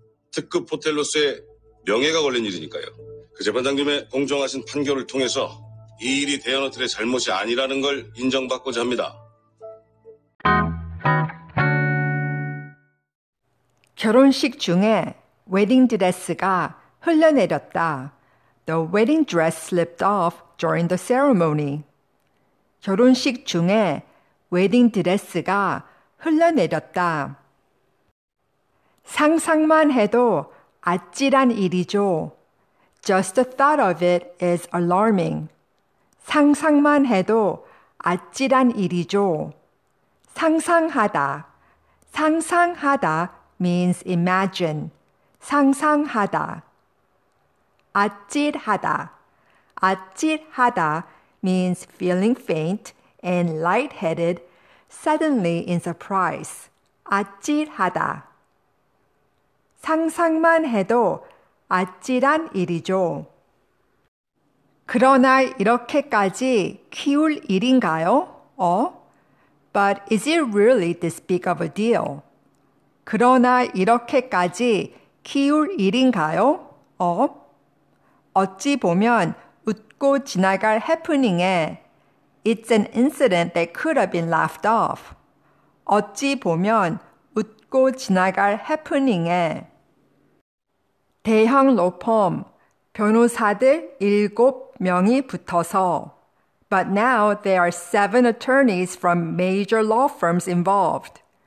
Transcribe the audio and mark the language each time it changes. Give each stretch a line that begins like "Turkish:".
Korean: 특급 호텔로서의 명예가 걸린 일이니까요. 그 재판장님의 공정하신 판결을 통해서 이 일이 대원호텔의 잘못이 아니라는 걸 인정받고자 합니다. 결혼식 중에 웨딩드레스가 흘러내렸다.
English: The wedding dress slipped off during the ceremony.
Korean: 결혼식 중에 웨딩드레스가 흘러내렸다. 상상만 해도 아찔한 일이죠.
English: Just the thought of it is alarming.
Korean: 상상만 해도 아찔한 일이죠. 상상하다. 상상하다
English: means imagine.
Korean: 상상하다. 아찔하다.
English: 아찔하다 means feeling faint and lightheaded. Suddenly in surprise. 아찔하다.
Korean: 상상만 해도 아찔한 일이죠. 그러나 이렇게까지 키울 일인가요? 어?
English: But is it really this big of a deal?
Korean: 그러나 이렇게까지 키울 일인가요? 어? 어찌 보면 웃고 지나갈 해프닝에
English: It's an incident that could have been laughed off.
Korean: 어찌 보면 웃고 지나갈 해프닝에 대형 로펌, 변호사들 일곱 명이 붙어서
English: But now there are seven attorneys from major law firms involved.